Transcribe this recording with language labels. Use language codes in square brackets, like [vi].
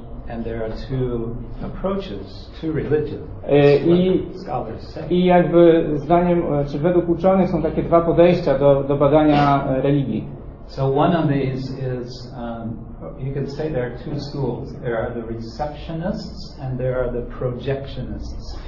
[en] And there are two approaches to religion. Scholars say. [pl] I jakby zdaniem, czy według uczonych są takie dwa podejścia do badania religii. [en] So one of these is, you can say there are two schools. There are the receptionists and there are the projectionists.